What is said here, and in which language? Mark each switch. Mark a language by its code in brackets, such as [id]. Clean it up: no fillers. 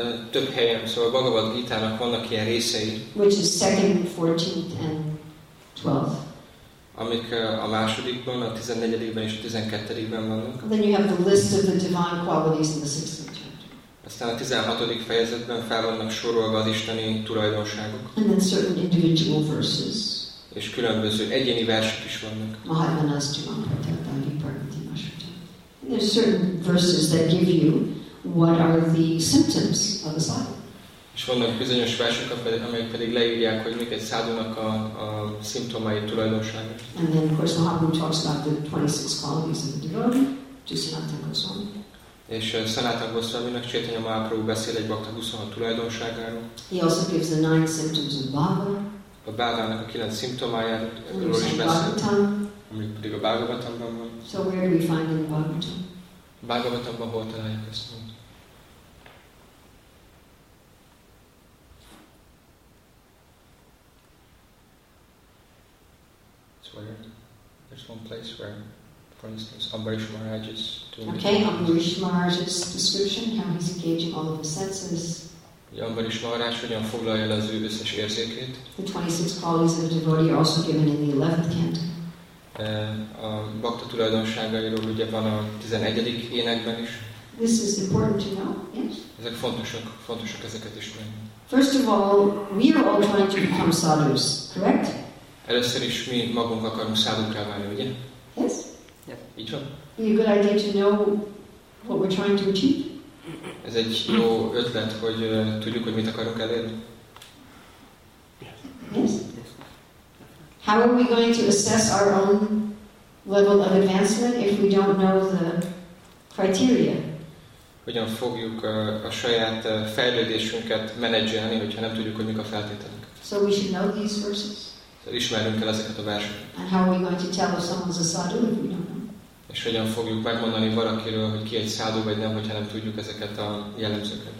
[hu] Több helyen, szóval a Bhagavad Gita-nak vannak ilyen részei. [en] Which is 2nd, 14th, and 12th. [hu] Amik a másodikban, a 14-ben és a 12-ben vannak. [en] Then you have the list of the divine qualities in the 16th chapter. [hu] Aztán a 16. fejezetben fel vannak sorolva az isteni tulajdonságok. [en] And then certain individual verses. [hu] És különböző egyéni versek is vannak. [sa] Mahatmanas Jivanprata, Dipartiti Masrata. [en] And there's certain verses that give you what are the symptoms of a sadhu. [hu] És vannak bizonyos versek, amelyek pedig leírják, hogy mik egy szádunak a szimptomai, tulajdonságai. [en] And then of course Mahaprabhu talks about the 26 qualities of the devotee, to Sanatana Goswami. [hu] És Sanatana Goswaminak Chaitanya Mahaprabhu beszél egy bhakta 26 tulajdonságáról. [en] He also gives the 9 symptoms of bhava. [hu] A bhavának a 9 szimptomájáról is beszél, amik pedig a Bhagavatamban van. [en] So where do we find in the Bhagavatam? [hu] Bhagavatamban hol találjuk ezt? [en] Where there's one place where, for instance, Ambarish Maharaj is doing. Okay, Ambarish Maharaj's description, how he's engaging all of the senses. [hu] Ambarish Maharaj, hogyan foglalja le az ő összes érzékét. [en] The 26 qualities of a devotee are also given in the 11th canto. [hu] A bhakta tulajdonságairól ugye van a 11. énekben is. [en] This is important to know, yes? [hu] Ezek fontosak ezeket ismerni. [en] First of all, we are all trying to become sadhus, correct? [hu] Először is mi magunk akarunk szádunkra válni, ugye? [en] Yes. Yeah. [hu] Így van. [en] It's a good idea to know what we're trying to achieve. [hu] Ez egy jó ötlet, hogy tudjuk, hogy mit akarunk elérni. [en] Yes. How are we going to assess our own level of advancement if we don't know the criteria? [hu] Hogyan fogjuk a saját fejlődésünket menedzselni, hogyha nem tudjuk, hogy mik a feltételek? [en] So we should know these verses. [hu] Ismerünk el ezeket a verseket. [en] And how are we going to tell if someone's a sadhu if we don't know? [hu] És hogyan fogjuk megmondani valakiről, hogy ki egy sadhu vagy nem, hogyha nem tudjuk ezeket a jellemzőket.